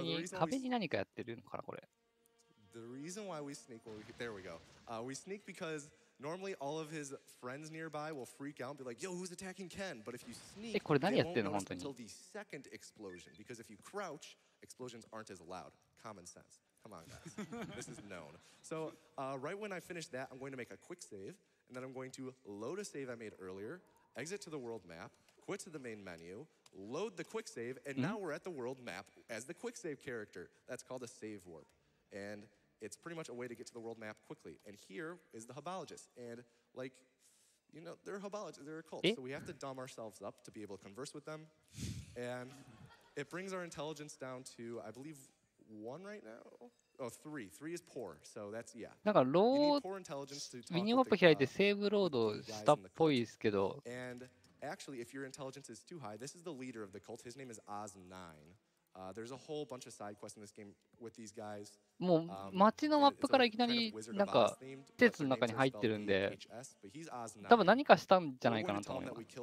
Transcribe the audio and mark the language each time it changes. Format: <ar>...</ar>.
<ja>壁に何かやってるのかな、これ。</ja> <en>The reason why we sneak, well, there we go. We sneak because normally all of his friends nearby will freak out and be like, yo, who's attacking Ken? But if you sneak, they won't notice until the second explosion. Because if you crouch, explosions aren't as loud. Common sense. Come on, guys. This is known. So, right when I finish that, I'm going to make a quick save. And then I'm going to load a save I made earlier, exit to the world map, quit to the main menu, load the quick save, and now we're at the world map as the quick save character. That's called a save warp. And it's pretty much a way to get to the world map quickly. And here is the Hobologist. And like, you know, they're Hobologists, they're a cult. So we have to dumb ourselves up to be able to converse with them. And it brings our intelligence down to, I believe, one right now? Oh, three. Three is poor. So that's, yeah.</en> <ja>なんかロード、</ja> <en>you need poor intelligence to talk</en> <ja>ミニマップ開いてセーブロードしたっぽいですけど。</ja> <en>And actually, if your intelligence is too high, this is the leader of the cult. His name is Oz9. There's a whole bunch of side quests in this game with these guys.</en> <ja>もう街のマップからいきなりなんか施設の中に入ってるんで、多分何かしたんじゃないかなと思います。</ja>